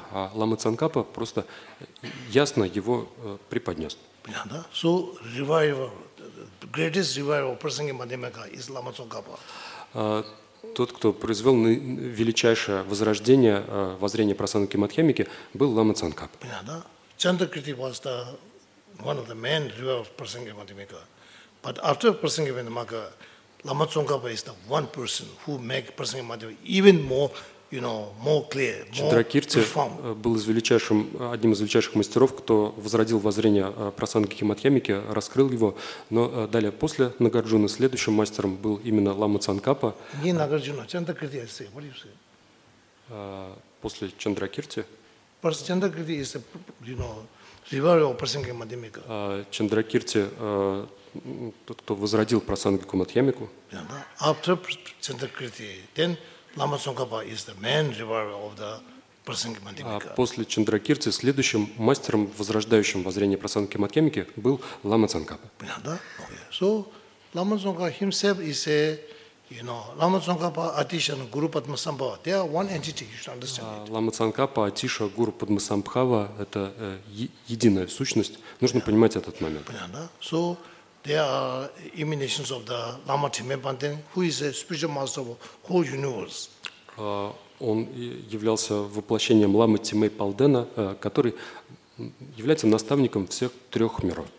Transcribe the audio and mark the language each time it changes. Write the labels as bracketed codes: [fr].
[ru] А Лама Цанкапа просто ясно его преподнес. Понятно? [en] So, revival, greatest revival of Prasanga Madhyama is Lama Tsongkhapa. [ru] Тот, кто произвел величайшее возрождение воззрения Прасанги Киматхьямики, был Лама Цанкап. Понятно? [en] Чандракрити was the one of the main river of Prasanga Madhyamika. But after Prasanga Madhyamika, Лама Цанкапа is the one person who make Prasanga Madhyamika even more, you know, more clear, more profound. [ru] Чандракирти был одним из величайших мастеров, кто возродил воззрение Прасанги Киматхьямики, раскрыл его. Но далее, после Нагарджуны, следующим мастером был именно Лама Цанкапа. Не [en] Нагарджуна, Чандракирти, what do you say? [ru] После Чандракирти. [en] Чандракирти is a, you know, revival of Prasanga Madhyamika. [ru] Чандракирти, тот, кто возродил Прасанги Киматхьямику. [en] After Чандракирти, then Лама Цанкапа is the main revival of the Prasanga Madhyamika. [ru] После Чандракирти следующим мастером, возрождающим воззрение Прасанги Киматхьямики, был Лама Цанкапа. Понятно? [en] Okay. So, Лама Цанкапа himself is a, you know, Лама Цанкапа, Атиша, Гуру Падмасамбхава. They are one entity, you should understand it. [ru] Лама Цанкапа, Атиша, Гуру Падмасамбхава – это единая сущность. Нужно понимать этот момент. Понятно? [en] So, they are emanations of the Lama Timepanten, who is a spiritual master of whole universe. [ru] Он являлся воплощением Ламы Тимейпалдена, который является наставником всех трех миров.